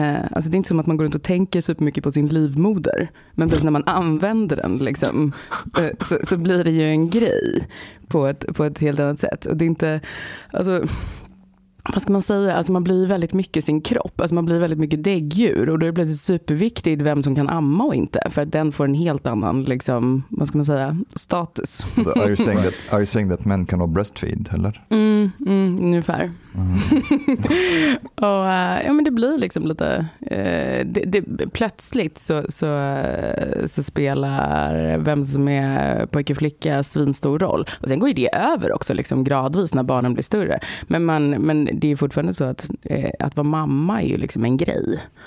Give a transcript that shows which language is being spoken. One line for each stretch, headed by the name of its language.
Swedish: Alltså det är inte som att man går runt och tänker supermycket på sin livmoder, men precis när man använder den liksom, så blir det ju en grej på ett helt annat sätt. Och det är inte, alltså, vad ska man säga, alltså man blir väldigt mycket sin kropp, alltså man blir väldigt mycket däggdjur, och då är det plötsligt superviktigt vem som kan amma och inte, för att den får en helt annan liksom, vad ska man säga, status.
English: Are you saying that men cannot breastfeed
Swedish: eller? Ungefär. Och ja, men det blir liksom lite det plötsligt så spelar vem som är pojke flicka svinstor roll, och sen går ju det över också liksom gradvis när barnen blir större, men det är fortfarande så att vara mamma är ju liksom en grej.